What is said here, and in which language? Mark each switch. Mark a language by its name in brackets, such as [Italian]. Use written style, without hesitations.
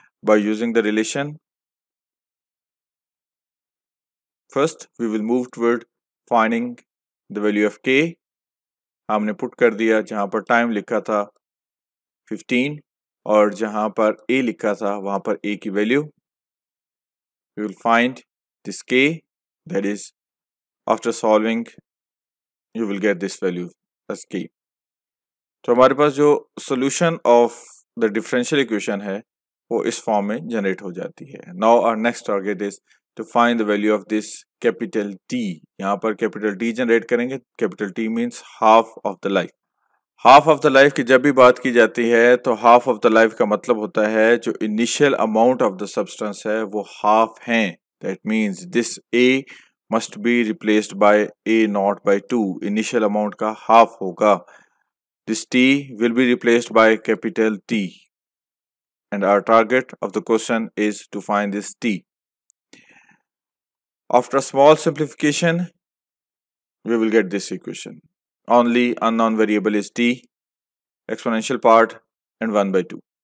[English] By using the relation, first we will move toward finding the value of k. [Hindi] हमने put कर दिया जहाँ पर time लिखा था 15 और जहाँ पर a लिखा था वहाँ पर a की value. [English] We will find this k, that is after solving you will get this value as k. [Hindi] तो हमारे पास जो solution of the differential equation है वो इस फॉर्म में जनरेट हो जाती है. [English] Now our next target is to find the value of this capital T. [Hindi] यहाँ पर कैपिटल टी जनरेट करेंगे. [English] Capital T means half of the life. [Hindi] Half of the life की जब भी बात की जाती है तो हाफ ऑफ द लाइफ का मतलब होता है जो initial amount of the substance है वो हाफ है. [English] That means this A must be replaced by A not by two. [Hindi] Initial amount का हाफ होगा. [English] This T will be replaced by capital T. And our target of the question is to find this T. After a small simplification, we will get this equation. Only unknown variable is T, exponential part and 1 by 2.